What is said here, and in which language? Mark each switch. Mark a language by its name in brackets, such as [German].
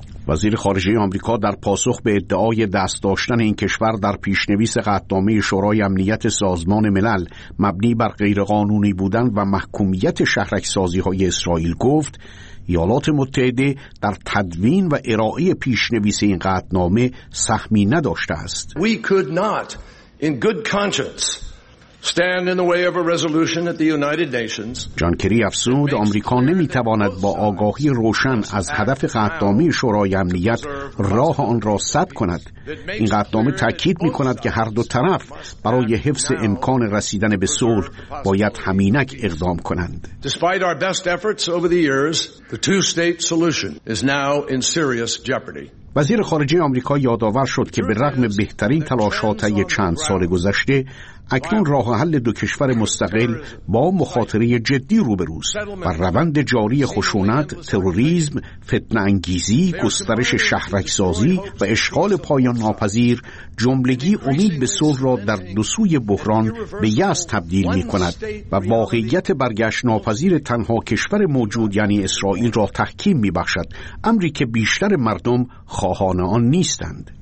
[Persian] وزیر خارجه آمریکا در پاسخ به ادعای دست داشتن این کشور در پیشنویس قطعنامه شورای امنیت سازمان ملل مبنی بر غیرقانونی بودن و محکومیت شهرکسازی‌های اسرائیل گفت ایالات متحده در تدوین و ارائه پیشنویس این قطعنامه سهمی نداشته است. [English] We could not in good conscience stand in the way of a resolution at the United Nations. [Persian] جان کری افزود آمریکا نمیتواند با آگاهی روشن از هدف قطعنامه شورای امنیت راه آن را سد کند. این قطعنامه تاکید میکند که هر دو طرف برای حفظ امکان رسیدن به صلح باید همینک اقدام کنند. [English] Despite our best efforts over the years, the two-state solution is now in serious jeopardy. [Persian] وزیر خارجه آمریکا یادآور شد که به رغم بهترین تلاش‌ها طی چند سال گذشته، اکنون راه حل دو کشور مستقل با مخاطره جدی روبروست و روند جاری خشونت، تروریسم، فتنه انگیزی، گسترش شهرک‌سازی و اشغال پایان ناپذیر جملگی امید به صلح را در دو سوی بحران به یأس تبدیل می کند و واقعیت برگشت ناپذیر تنها کشور موجود یعنی اسرائیل را تحکیم می بخشد، امری که بیشتر مردم خواهان آن نیستند.